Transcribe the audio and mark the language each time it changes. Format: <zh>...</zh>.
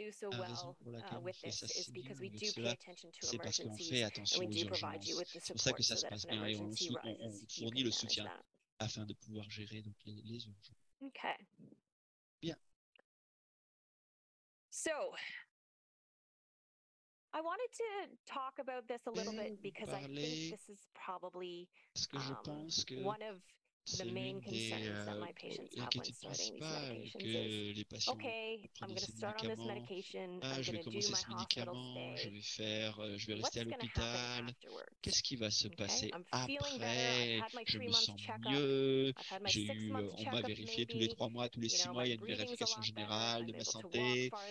<fr>la raison pour laquelle on fait ça si bien avec cela, c'est parce qu'on fait attention aux urgences. C'est pour ça que ça se passe bien et on fournit le soutien afin de pouvoir gérer donc les urgences.</fr> <en>So, I wanted to talk about this a little bit because I think this is probably one of the main concerns that my patients have when starting these medications. Okay, I'm going to start on this medication. I'm going to do my hospital stay.</en> <fr>Je vais rester à l'hôpital. Qu'est-ce qui va se passer après? Je me sens mieux. On m'a vérifié tous les 3 mois, tous les 6 mois. Il y a une vérification générale de ma santé.</fr>